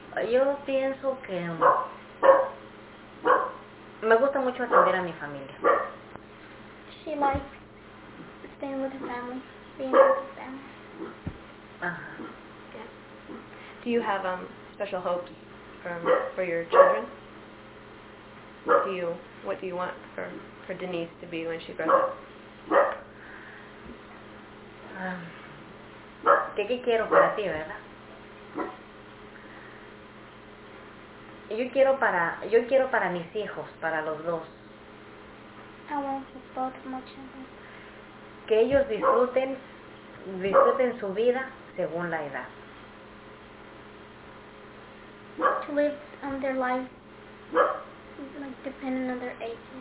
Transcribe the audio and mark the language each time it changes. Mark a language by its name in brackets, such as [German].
[Spanish] Yo pienso que me gusta mucho atender a mi familia. [English] She likes staying with her family, being with her family. Uh-huh. Yeah. Do you have special hopes for your children? What do you want for Denise to be when she grows up? [Spanish] ¿Qué quiero para ti, verdad? Yo quiero para mis hijos, para los dos. [English] I want for both my children. [Spanish] Que ellos disfruten su vida según la edad. [English] To live on their life, like depending on their ages.